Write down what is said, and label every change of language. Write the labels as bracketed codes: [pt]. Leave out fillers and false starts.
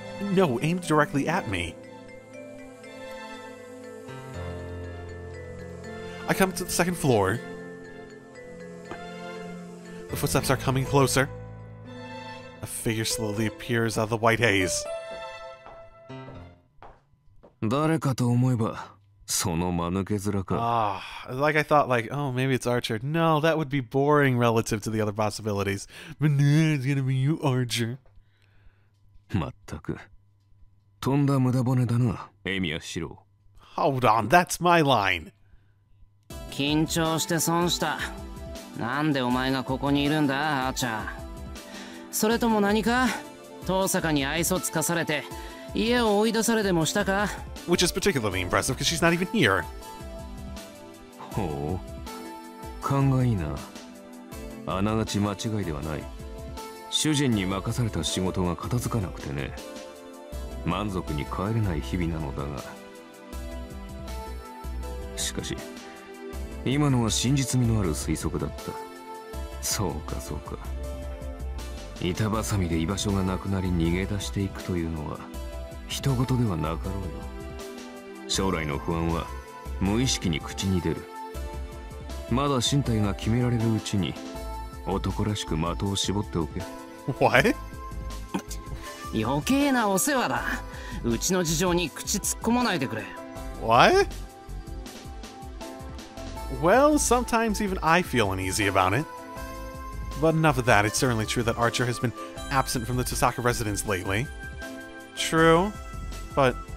[en] No, aimed directly at me. I come to the second floor. The footsteps are coming closer. A figure slowly appears out of the white haze. [ja] 誰かと思えば、その間抜け面か。 [en] Like I thought, like, oh, maybe it's Archer. No, that would be boring relative to the other possibilities. But no, it's gonna be you, Archer. [ja] まったく。とんだ無駄骨だな、エミア・シロー。 [en] Hold on, that's my line! [ja] 緊張して損した。なんでお前がここにいるんだ、アーチャー。それとも何か、遠坂に愛想つかされて、家を追い出されでもしたか。 [en] Which is particularly impressive because she's not even here. [ja] ほう、勘がいいな。あながち間違いではない。主人に任された仕事が片付かなくてね。満足に帰れない日々なのだが。しかし、今のは真実味のある推測だった。そうかそうか。板挟みで居場所がなくなり逃げ出していくというのは、ひと事ではなかろうよ。将来の不安は無意識に口に出る。まだ身体が決められるうちに男らしく的を絞っておけ。 [en] What? [ja] 余計なお世話だ。うちの事情に口突っ込まないでくれ。 [en] What? Well, sometimes even I feel uneasy about it. But enough of that, it's certainly true that Archer has been absent from the Tosaka residence lately. True, but...